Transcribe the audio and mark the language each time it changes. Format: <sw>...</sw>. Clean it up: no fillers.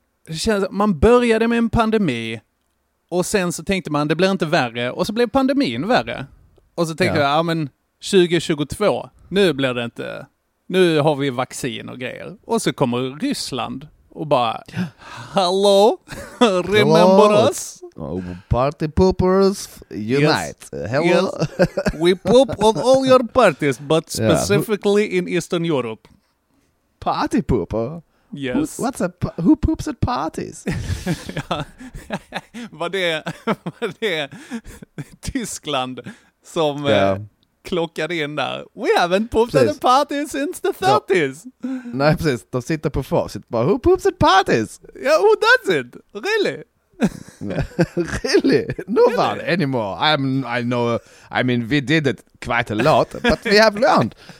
<sv>Känns, man började med en pandemi och sen så tänkte man det blir inte värre och så blev pandemin värre. Och så tänker jag, ja men 2022, nu blir det inte, nu har vi vaccin och grejer. Och så kommer Ryssland och bara,</sv> <en>hello, remember hello. Us? Oh, party poopers, unite. Yes. Hello. Yes. We poop on all your parties, but specifically in Eastern Europe. Party pooper? Yes. Who poops at parties?</en> <sv>Var det Tyskland som klockade in där.</sv> <en>We haven't pooped at a party since the 30s.</en> <sv>Ja. Nej, precis. De sitter på facit. Bara,</sv> <en>who poops at parties?</en> <sv>Ja,</sv> <en>who does it? Really? Really? Nobody really? Anymore. I mean, we did it quite a lot, but we have learned.</en>